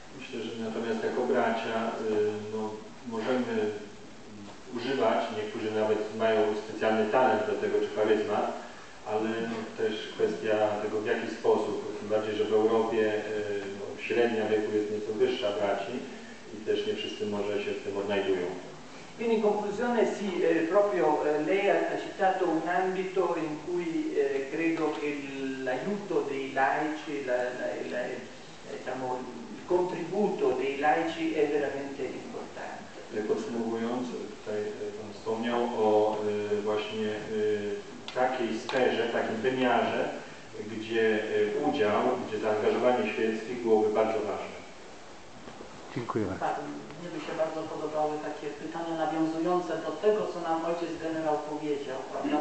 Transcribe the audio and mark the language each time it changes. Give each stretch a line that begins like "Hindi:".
Polish: Myślę, że natomiast jako bracia możemy używać, niektórzy nawet mają specjalny talent do tego czy charyzma, ale też kwestia tego, w jaki sposób, tym bardziej, że w Europie średnia wieku jest nieco wyższa braci i też nie wszyscy może się w tym odnajdują.
Italian: Quindi in conclusione sì, proprio lei ha citato un ambito in cui credo che l'aiuto dei laici, il contributo dei laici è veramente importante.
Polish: Podsumowując, tutaj pan wspomniał o właśnie takiej sferze, takim wymiarze, gdzie zaangażowanie świeckich byłoby bardzo ważne. Dziękuję bardzo. Mnie by się bardzo podobały takie pytania nawiązujące do tego, co nam ojciec generał powiedział, prawda?